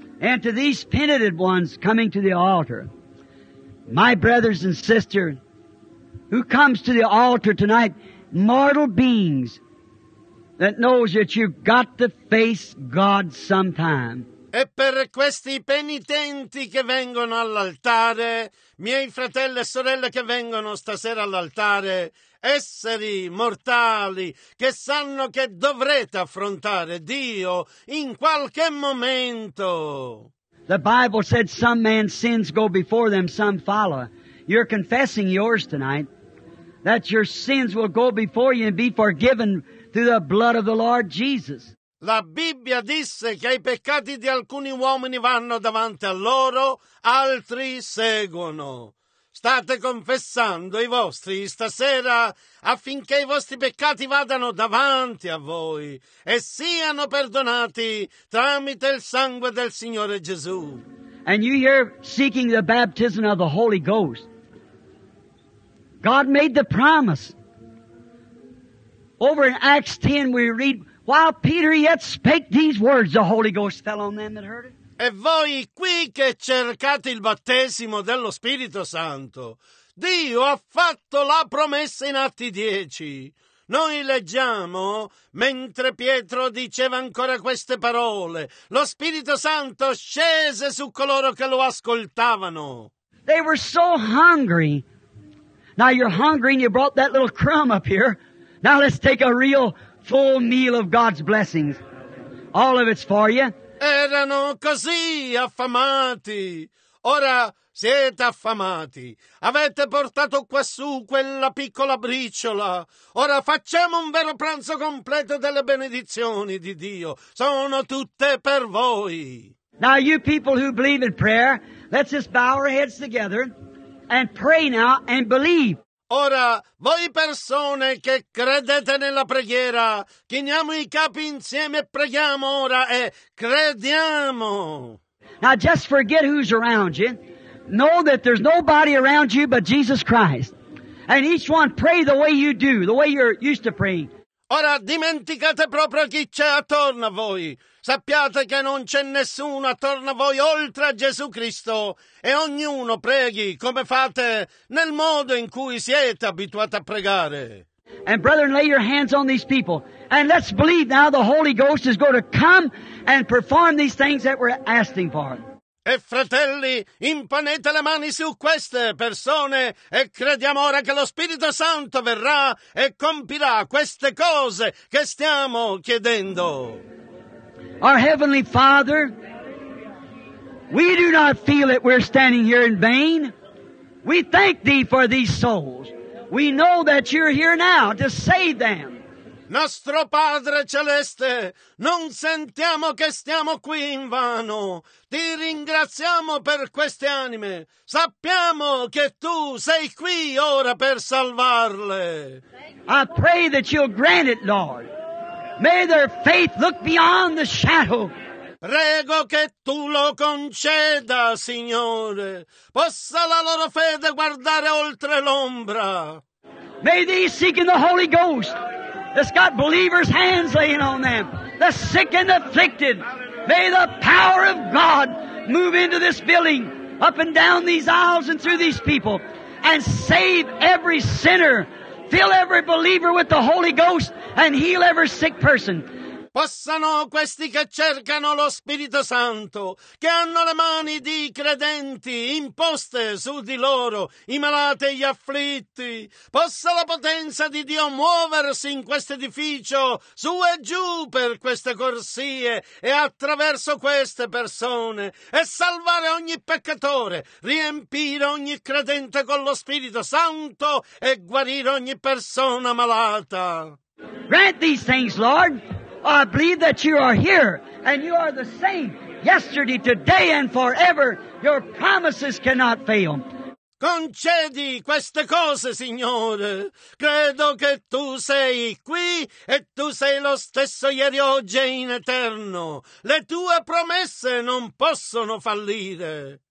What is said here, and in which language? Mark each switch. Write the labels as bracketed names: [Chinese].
[English] And to these penitent ones coming to the altar, my brothers and sisters, who comes to the altar tonight, mortal beings, that knows that you've got to face God sometime. [Italian] E per questi penitenti che vengono all'altare, miei fratelli e sorelle che vengono stasera all'altare, esseri mortali che sanno che dovrete affrontare Dio in qualche momento. [English] The Bible said some man's sins go before them, some follow. You're confessing yours tonight, that your sins will go before you and be forgiven through the blood of the Lord Jesus. [Italian] La Bibbia disse che i peccati di alcuni uomini vanno davanti a loro, altri seguono. State confessando i vostri stasera affinché i vostri peccati vadano davanti a voi e siano perdonati tramite il sangue del Signore Gesù. [English] And you here seeking the baptism of the Holy Ghost. God made the promise Over in Acts 10 we read, while Peter yet spake these words, the Holy Ghost fell on them that heard it. [Italian] E voi qui che cercate il battesimo dello Spirito Santo, Dio ha fatto la promessa in Atti 10. Noi leggiamo, mentre Pietro diceva ancora queste parole, lo Spirito Santo scese su coloro che lo ascoltavano. [English] They were so hungry. Now you're hungry and you brought that little crumb up here. Now let's take a real full meal of God's blessings. All of it's for you. [Italian] Erano così affamati. Ora siete affamati. Avete portato quassù quella piccola briciola. Ora facciamo un vero pranzo completo delle benedizioni di Dio. Sono tutte per voi. [English] Now you people who believe in prayer, let's just bow our heads together and pray now and believe. [Italian] Ora, voi persone che credete nella preghiera, chiniamo i capi insieme e preghiamo ora e crediamo. [English] Now just forget who's around you. Know that there's nobody around you but Jesus Christ. And each one pray the way you do, the way you're used to praying. [Italian] Ora dimenticate proprio chi c'è attorno a voi. Sappiate che non c'è nessuno attorno a voi oltre a Gesù Cristo. E ognuno preghi come fate nel modo in cui siete abituati a pregare. [English] And brethren, lay your hands on these people. And let's believe now the Holy Ghost is going to come and perform these things that we're asking for. [Italian] E fratelli, imponete le mani su queste persone e crediamo ora che lo Spirito Santo verrà e compirà queste cose che stiamo chiedendo. [English] Our Heavenly Father, we do not feel that we're standing here in vain. We thank Thee for these souls. We know that You're here now to save them. [Italian] Nostro Padre Celeste, non sentiamo che stiamo qui in vano. Ti ringraziamo per queste anime. Sappiamo che Tu sei qui ora per salvarle. [English] I pray that You'll grant it, Lord. May their faith look beyond the shadow. [Italian] Prego che Tu lo conceda, Signore. Possa la loro fede guardare oltre l'ombra. [English] May they seek in the Holy Ghost. It's got believers' hands laying on them. The sick and afflicted. May the power of God move into this building, up and down these aisles and through these people, and save every sinner. Fill every believer with the Holy Ghost and heal every sick person. [Italian] Possano questi che cercano lo Spirito Santo, che hanno le mani di credenti imposte su di loro, i malati e gli afflitti. Possa la potenza di Dio muoversi in questo edificio, su e giù per queste corsie e attraverso queste persone, e salvare ogni peccatore, riempire ogni credente con lo Spirito Santo e guarire ogni persona malata. [English] Grant these things, Lord. I believe that You are here, and You are the same yesterday, today, and forever. Your promises cannot fail. [Italian] Concedi queste cose, Signore. Credo che Tu sei qui, e Tu sei lo stesso ieri, oggi e in eterno. Le Tue promesse non possono fallire.